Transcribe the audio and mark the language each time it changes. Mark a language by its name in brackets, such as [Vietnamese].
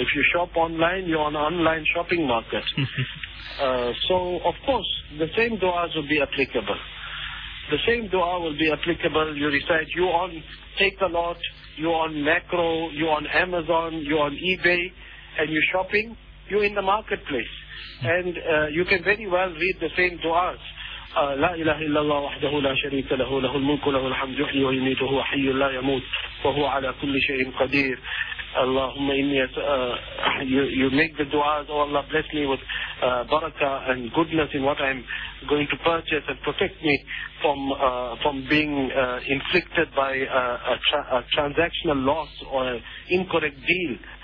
[English] If you shop online, you're on an online shopping market. So, of course, the same duas will be applicable. The same dua will be applicable. You recite, you on Takealot, you on Macro, you on Amazon, you on eBay, and you're shopping, you're in the marketplace. And you can very well read the same duas. [Arabic] لا إله إلا الله وحده لا شريك له له الملك له الحمد يحيي ويميت وهو حي لا يموت وهو على كل شيء قدير. اللهم إني [English] you make the duas, oh Allah bless me with barakah and goodness in what I'm going to purchase and protect me from being inflicted by a transactional loss or an incorrect deal.